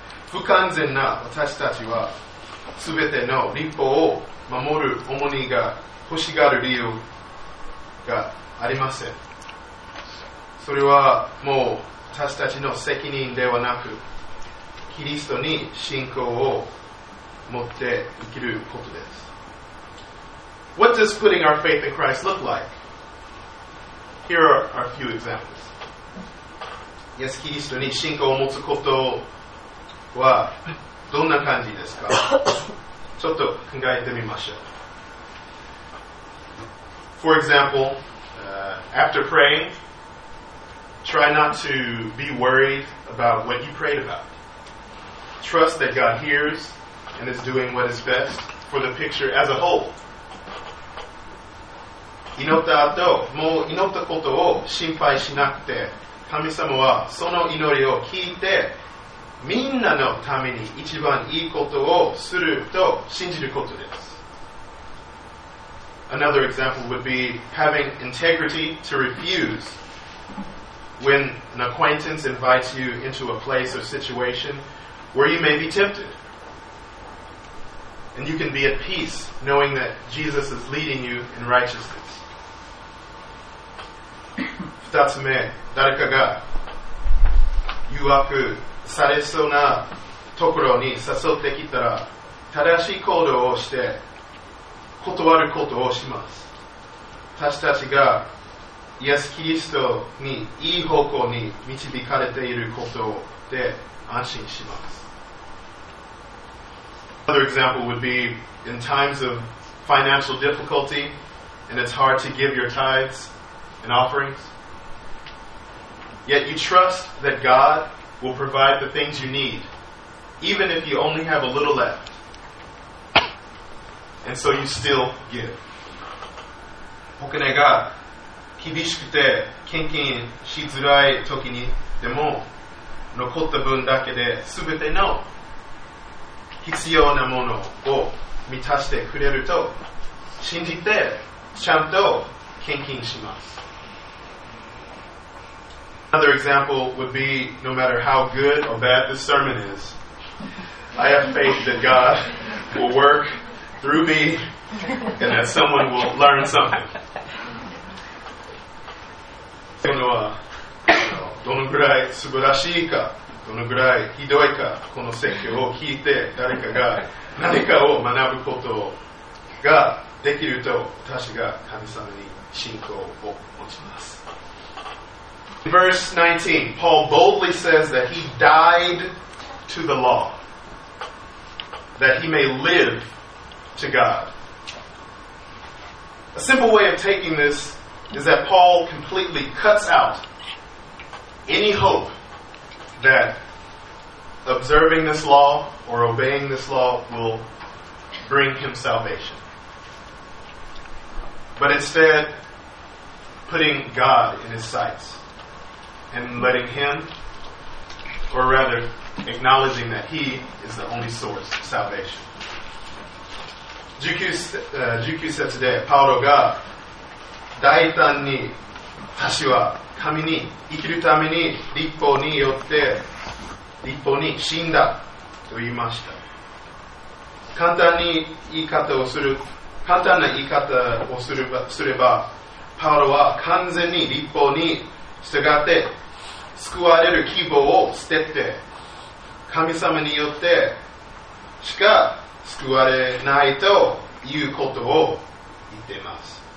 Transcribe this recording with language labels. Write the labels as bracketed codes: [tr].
[ja] 不完全な私たちは全ての律法を守る重荷が欲しがる理由がありません。それはもう私たちの責任ではなく、キリストに信仰を持って生きることです。 [en] What does putting our faith in Christ look like? Here are a few examples. [ja] イエス・キリストに信仰を持つことはどんな感じですか？ちょっと考えてみましょう。 [en] For example, after praying, try not to be worried about what you prayed about. Trust that God hears and is doing what is best for the picture as a whole. [ja] 祈った後、もう祈ったことを心配しなくて、神様はその祈りを聞いて、みんなのために一番いいことをすると信じることです。 [en] Another example would be having integrity to refuse when an acquaintance invites you into a place or situation where you may be tempted. And you can be at peace knowing that Jesus is leading you in righteousness. [ja] 二つ目、誰かが誘惑されそうなところに誘ってきたら、正しい行動をして断ることをします。私たちがイエス・キリストにいい方向に導かれていることで安心します。 [en] Another example would be in times of financial difficulty and it's hard to give your tithes and offerings, yet you trust that God will provide the things you need even if you only have a little left, and so you still give. [ja] お金が厳しくて献金しづらい時にでも、残った分だけで全ての必要なものを満たしてくれると信じてちゃんと献金します。 [en] Another example would be, no matter how good or bad the sermon is, I have faith that God will work through me and that someone will learn something. [ja] そのはどのぐらい素晴らしいか、どのぐらいひどいか、この説教を聞いて誰かが何かを学ぶことができると私が神様に信仰を持ちます。 [en] In verse 19, Paul boldly says that he died to the law that he may live to God. A simple way of taking this is that Paul completely cuts out any hope that observing this law or obeying this law will bring him salvation. But instead, putting God in his sights and letting him, or rather, acknowledging that he is the only source of salvation. [ja] 19節でパウロが大胆に、私は神に生きるために律法によって律法に死んだと言いました。簡単に言い方をする、簡単な言い方をすれば、パウロは完全に律法に従って救われる希望を捨てて、神様によってしか救われないということを言っています。